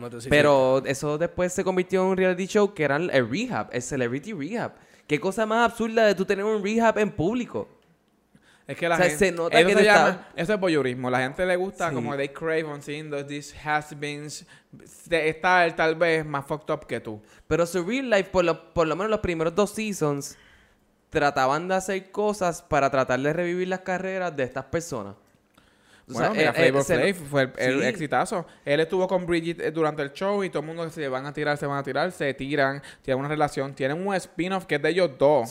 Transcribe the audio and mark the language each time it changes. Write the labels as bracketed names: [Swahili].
[Spanish] Pero eso después se convirtió en un reality show que era el rehab, el celebrity rehab. ¿Qué cosa más absurda de tú tener un rehab en público? Es que la gente... se nota que está... Eso es voyeurismo. La gente le gusta sí. [English] Como they crave on seeing those these has-beens. [Spanish] Está tal vez más [English] fucked up [Spanish] que tú. Pero su [English] real life, [Spanish] por lo menos los primeros dos [English] seasons, [Spanish] trataban de hacer cosas para tratar de revivir las carreras de estas personas. Bueno, o sea, mira, Flavor Flav fue el sí. Exitazo. Él estuvo con Bridget durante el show y todo el mundo se van a tirar, tienen una relación, tienen un spin-off que es de ellos dos.